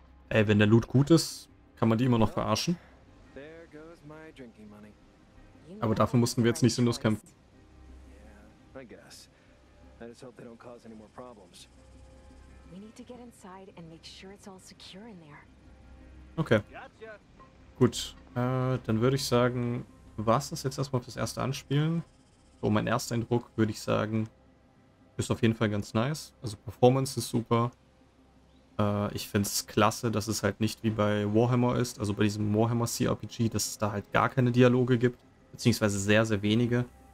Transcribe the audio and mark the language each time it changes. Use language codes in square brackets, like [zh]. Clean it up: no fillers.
[de] Ey, wenn der Loot gut ist, kann man die immer noch verarschen. [en] There goes my drinking money. [de] Aber dafür mussten wir jetzt nicht sinnlos kämpfen. [en] Yeah, I guess. I just hope they don't cause any more problems. We need to get inside and make sure it's all secure in there. Okay. Gotcha. [de] Gut, dann würde ich sagen, war es das jetzt erstmal fürs erste Anspielen. So, mein erster Eindruck, würde ich sagen, ist auf jeden Fall ganz nice. Also Performance ist super. Ich finde es klasse, dass es halt nicht wie bei Warhammer ist, also bei diesem Warhammer CRPG, dass es da halt gar keine Dialoge gibt, beziehungsweise sehr, sehr wenige.